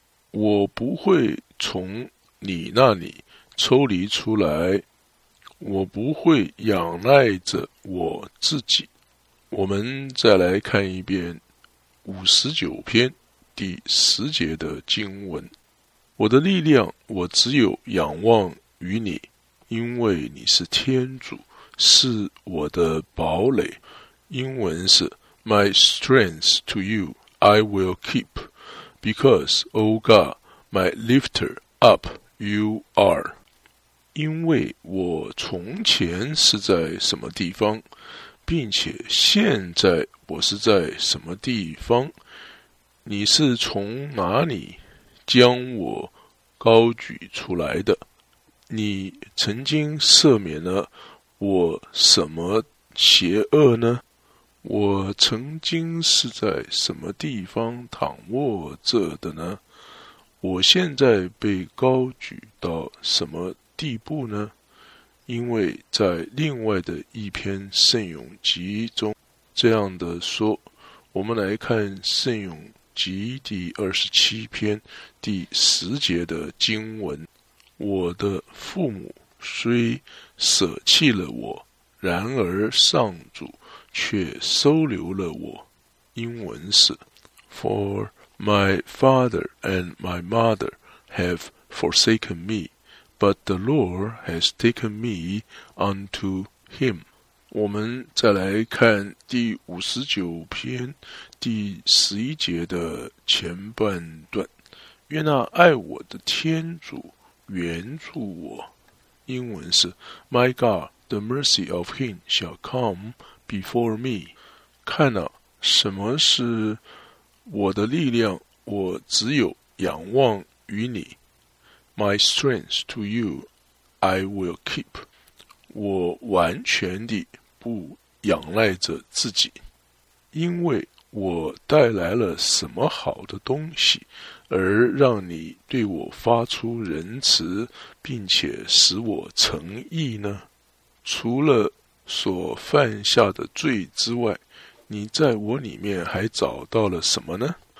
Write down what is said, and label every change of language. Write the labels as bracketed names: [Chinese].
[Chinese] 我不会从你那里抽离出来，我不会仰赖着我自己。我们再来看一遍59篇第十节的经文。我的力量，我只有仰望于你。因为你是天主，是我的堡垒。英文是 [English] My strength to you, I will keep. Because, O God, my lifter up you are. [Chinese] 因为我从前是在什么地方，并且现在我是在什么地方，你是从哪里将我高举出来的。你曾经赦免了我什么邪恶呢？我曾经是在什么地方躺卧着的呢？我现在被高举到什么地步呢？因为在另外的一篇圣咏集中这样的说，我们来看圣咏集第27篇第十节的经文。我的父母虽舍弃了我，然而上主却收留了我。英文是 [English] For my father and my mother have forsaken me, but the Lord has taken me unto him. [Chinese] 我们再来看第59篇第11节的前半段。愿那爱我的天主援助我。英文是 [English] My God, the mercy of him shall come before me. [Chinese] 看啊，什么是我的力量，我只有仰望于你。 [English] My strength to you I will keep. [Chinese] 我完全地不仰赖着自己，因为我带来了什么好的东西，而让你对我发出仁慈，并且使我诚意呢？除了所犯下的罪之外，你在我里面还找到了什么呢？